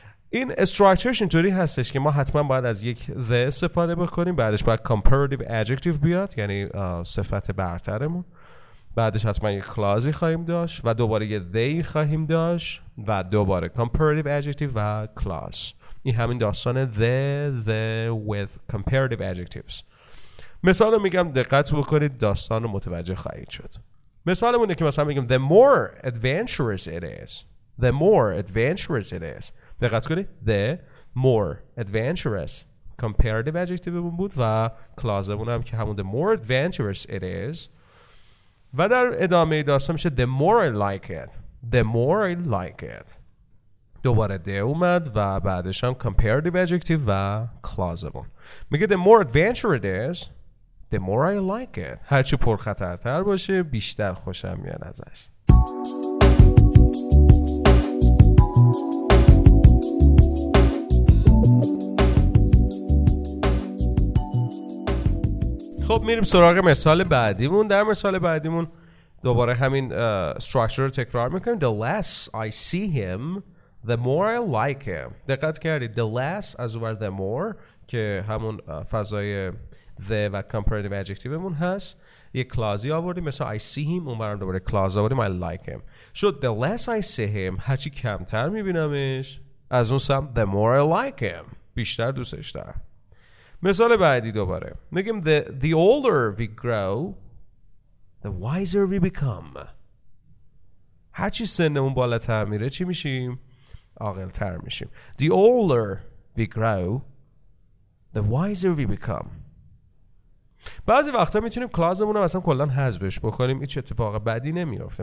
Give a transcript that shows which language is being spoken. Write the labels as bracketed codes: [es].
[fa] این استراکچرش اینطوری هستش که ما حتما باید از یک the استفاده بکنیم، بعدش باید comparative adjective بیاد یعنی صفت برترمون، بعدش حتما یک clause خواهیم داشت و دوباره یه they خواهیم داشت و دوباره comparative adjective و clause. این همین داستان [en] the with comparative adjectives. [fa] مثال رو میگم دقت بکنید داستان رو متوجه خواهید شد. مثالمونه که مثلا میگم [en] the more adventurous it is. The more adventurous it is. [fa] دقت کنید [en] the more adventurous comparative adjective [fa] بود و [en] clause [fa] هم که همون [en] the more adventurous it is. [fa] و در ادامه داستان میشه [en] the more I like it. The more I like it. [fa] دوباره ده اومد و بعدش هم comparative adjective و clause بود. میگه [en] the more adventurous it is. The more I like it. [fa] هرچی پرخطرتر باشه بیشتر خوشم میاد ازش. خب میریم سراغ مثال بعدیمون. در مثال بعدیمون دوباره همین structure رو تکرار میکنیم. [en] The less I see him, the more I like him. [fa] دقت کردید [en] the less as well the more [fa] که همون فضای [en] the و comparative adjective [fa] مون هست، یه [en] clause [fa] آوردیم مثلا [en] I see him، [fa] اون برام دوباره [en] clause آوردیم I like him. [fa] شد [en] the less I see him، [fa] هرچی کمتر میبینمش از اون سمت [en] the more I like him، [fa] بیشتر دوستش دارم. مثال بعدی دوباره میگیم [en] the older we grow the wiser we become. [fa] هرچی سنمون بالاتر میره چی میشیم؟ عاقل تر میشیم. [en] The older we grow the wiser we become. [fa] بعضی وقتا میتونیم کلازمون رو اصلا کلا حذفش بکنیم، هیچ اتفاق بدی نمیفته.